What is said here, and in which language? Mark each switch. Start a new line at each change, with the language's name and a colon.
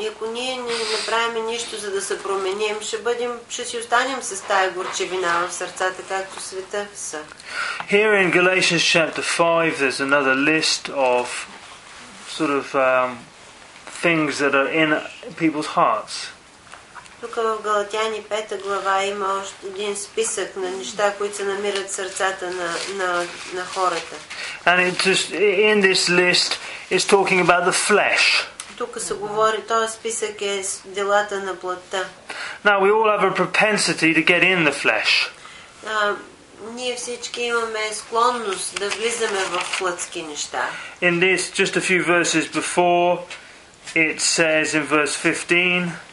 Bulgarian: И ако ние не направим нищо за да се променим, ще си останем с тая горчевина в сърцата, както света са.
English: Here in Galatians chapter 5 there's another list of sort of things that are in people's hearts.
Bulgarian: Тук в Галатяни 5 глава има още един списък на неща, които се намират в сърцата на хората.
English: And it just in this list is talking about the flesh.
Bulgarian: Тук се говори, този списък е с делата на плътта.
English: Now we all have a propensity to get in the flesh.
Bulgarian: Ние всички имаме склонност да влизаме в плътски неща.
English: In this, just a few verses before, it says in verse 15,